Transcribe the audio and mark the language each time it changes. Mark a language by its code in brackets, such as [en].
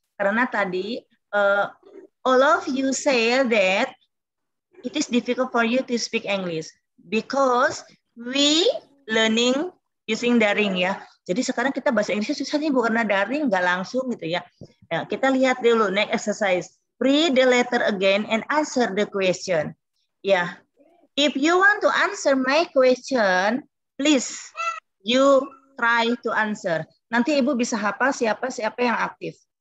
[id] Karena tadi [en] all of you say that it is difficult for you to speak English because we learning using daring ya. [id] Jadi sekarang kita bahasa Inggrisnya susah nih, bukan daring, nggak langsung gitu ya. Ya, kita lihat dulu next exercise. [en] Read the letter again and answer the question. Yeah. If you want to answer my question, please you try to answer. [id] Nanti ibu bisa hafal siapa-siapa yang aktif.